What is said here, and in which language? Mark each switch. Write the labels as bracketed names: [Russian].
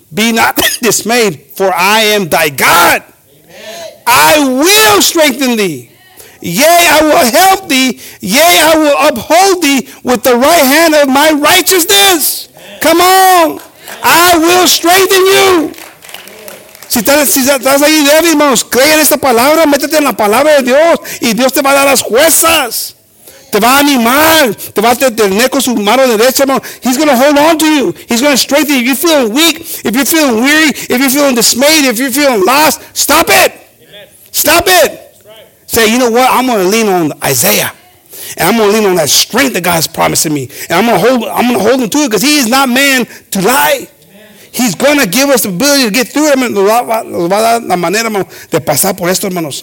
[English] Be not dismayed, for I am thy God. Amen. I will strengthen thee. Yea, I will help thee. Yea, I will uphold thee with the right hand of my righteousness. Amen. Come on. Amen. I will strengthen you. [Spanish] Si estás ahí débil, hermanos, cree en esta palabra, métete en la palabra de Dios y Dios te va a dar las fuerzas. Te va a animar, te va a detener con su mano derecha, hermano. [English] He's going to hold on to you. He's going to strengthen you. If you're feeling weak, if you're feeling weary, if you're feeling dismayed, if you're feeling lost, stop it. Amen. Stop it. Right. Say, you know what? I'm going to lean on Isaiah. And I'm going to lean on that strength that God has promised me. And I'm going to hold him to it because he is not man to lie. Amen. He's going to give us the ability to get through it. [Spanish] Nos va a dar la manera, hermano, de pasar por esto, hermanos.